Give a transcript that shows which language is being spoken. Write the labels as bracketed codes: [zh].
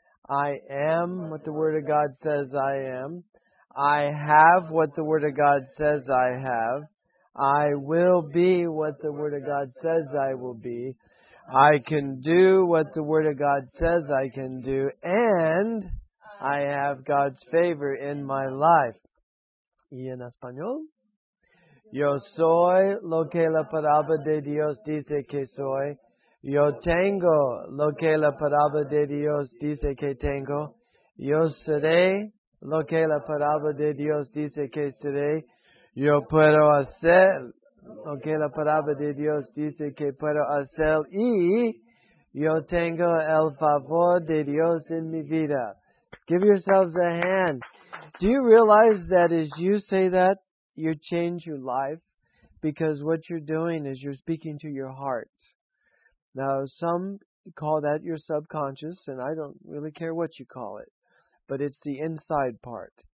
[en] I am what the Word of God says I am. I have what the Word of God says I have. I will be what the Word of God says I will be. I can do what the Word of God says I can do. And I have God's favor in my life. [es] Y en español, yo soy lo que la palabra de Dios dice que soy. Yo tengo lo que la palabra de Dios dice que tengo. Yo seré lo que la palabra de Dios dice que seré. Yo puedo hacer lo que la palabra de Dios dice que puedo hacer. Y yo tengo el favor de Dios en mi vida. [en] Give yourselves a hand. Do you realize that as you say that, you change your life? Because what you're doing is you're speaking to your heart. Now, some call that your subconscious, and I don't really care what you call it, but it's the inside part.